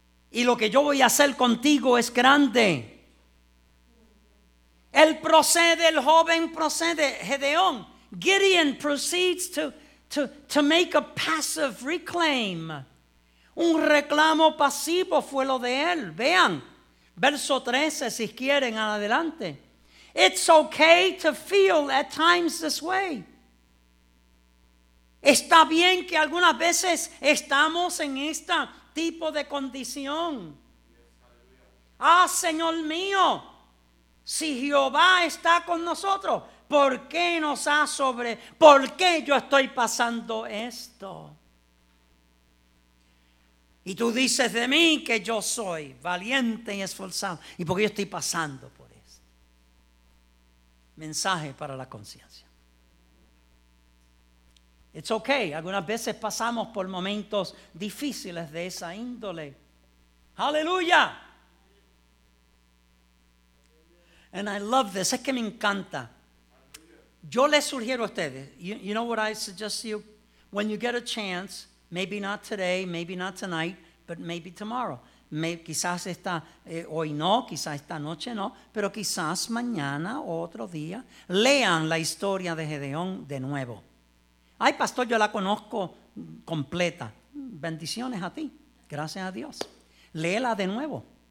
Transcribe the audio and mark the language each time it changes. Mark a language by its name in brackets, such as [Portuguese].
[Spanish] Y lo que yo voy a hacer contigo es grande. Él procede, el joven procede, Gedeón. [English] Gideon proceeds to make a passive reclaim. [Spanish] Un reclamo pasivo fue lo de él. Vean, verso 13, si quieren, adelante. [English] It's okay to feel at times this way. [Spanish] Está bien que algunas veces estamos en esta tipo de condición. Ah, Señor mío, si Jehová está con nosotros, ¿por qué nos ha sobre? ¿Por qué yo estoy pasando esto? Y tú dices de mí que yo soy valiente y esforzado, ¿y por qué yo estoy pasando por esto? Mensaje para la conciencia. [English] It's okay. [Spanish] Algunas veces pasamos por momentos difíciles de esa índole. ¡Aleluya! [English] And I love this. [Spanish] Es que me encanta. Yo les sugiero a ustedes. [English] You know what I suggest to you? When you get a chance, maybe not today, maybe not tonight, but maybe tomorrow. [Spanish] Quizás esta hoy no, quizás esta noche no, pero quizás mañana o otro día. Lean la historia de Gedeón de nuevo. Ay, pastor, yo la conozco completa. Bendiciones a ti. Gracias a Dios. Léela de nuevo.